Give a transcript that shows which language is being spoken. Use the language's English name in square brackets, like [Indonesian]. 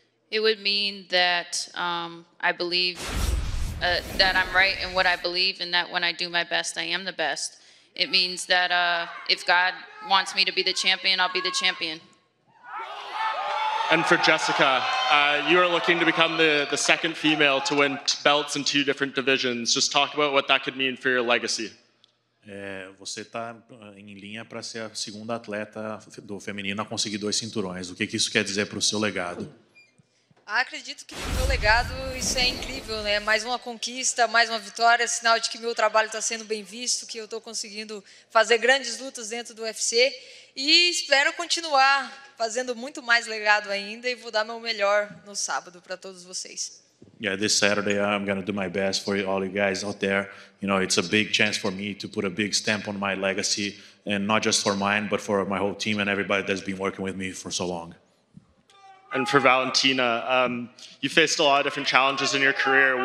[English] It would mean that I believe that I'm right in what I believe and that when I do my best, I am the best. It means that if God wants me to be the champion, I'll be the champion. And for Jessica, you are looking to become the second female to win belts in two different divisions. Just talk about what that could mean for your legacy. [Portuguese] Você está em linha para ser a segunda atleta do feminino a conseguir dois cinturões. O que isso quer dizer para o seu legado? Acredito que meu legado, isso é incrível, né? Mais uma conquista, mais uma vitória, sinal de que meu trabalho está sendo bem visto, que eu estou conseguindo fazer grandes lutas dentro do UFC e espero continuar fazendo muito mais legado ainda e vou dar meu melhor no sábado para todos vocês. [English] Yeah, this Saturday I'm going to do my best for all you guys out there. You know, it's a big chance for me to put a big stamp on my legacy and not just for mine, but for my whole team and everybody that's been working with me for so long. And for Valentina, you faced a lot of different challenges in your career.